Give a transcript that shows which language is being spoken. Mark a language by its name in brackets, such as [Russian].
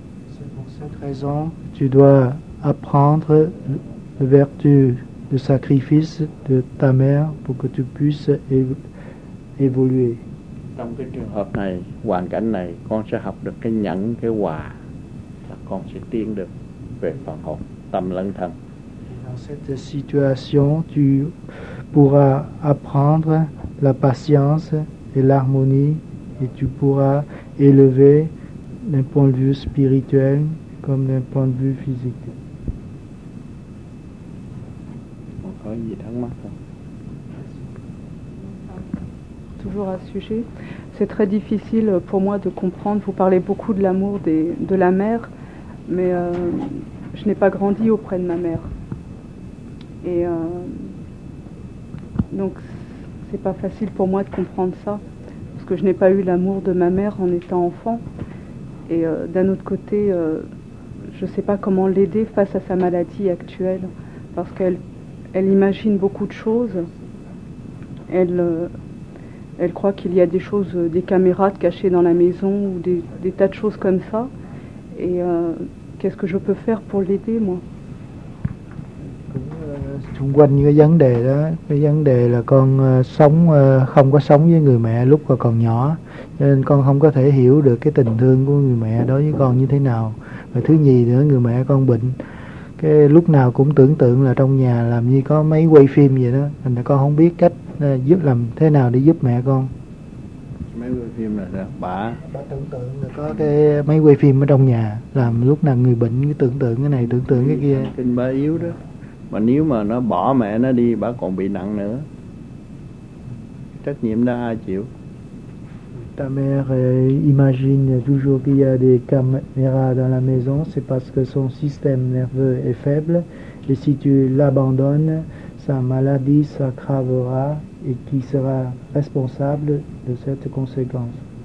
[French] C'est pour cette raison que tu dois apprendre la vertu de sacrifice de ta mère pour que tu puisses évoluer. [Vietnamese] Trong cái trường hợp này, hoàn cảnh này, con sẽ học được cái nhẫn, cái hòa, là con sẽ tiến được về phần hồn, tâm lẫn thân. [French] Dans cette situation, tu pourras apprendre la patience et l'harmonie et tu pourras élever d'un point de vue spirituel comme d'un point de vue physique. On a une idée de maintenant. Toujours à ce sujet, c'est très difficile pour moi de comprendre. Vous parlez beaucoup de l'amour de la mère, mais je n'ai pas grandi auprès de ma mère. Et donc, c'est pas facile pour moi de comprendre ça, parce que je n'ai pas eu l'amour de ma mère en étant enfant. Et d'un autre côté, je ne sais pas comment l'aider face à sa maladie actuelle, parce qu'elle imagine beaucoup de choses. Elle croit qu'il y a des choses, des caméras cachées dans la maison ou des tas de choses comme ça. Et qu'est-ce que je peux faire pour l'aider, moi? [Vietnamese] Xung quanh cái vấn đề đó, cái vấn đề là con sống không có sống với người mẹ lúc còn nhỏ, cho nên con không có thể hiểu được cái tình thương của người mẹ đối với con như thế nào. Và thứ nhì nữa, người mẹ con bệnh, cái lúc nào cũng tưởng tượng là trong nhà làm như có máy quay phim vậy đó, thành ra con không biết cách giúp làm thế nào để giúp mẹ con. Máy quay phim là sao? Bà tưởng tượng là có cái máy quay phim ở trong nhà, làm lúc nào người bệnh cứ tưởng tượng cái này, tưởng tượng cái kia. Kinh bà yếu đó. Mà nếu mà nó bỏ mẹ nó đi, bà còn bị nặng nữa. Trách nhiệm đó ai chịu? [French] Ta mère imagine toujours qu'il y a des caméras dans la maison, c'est parce que son système nerveux est faible. Et si tu l'abandonnes, sa maladie s'aggravera et qui sera responsable de cette conséquence?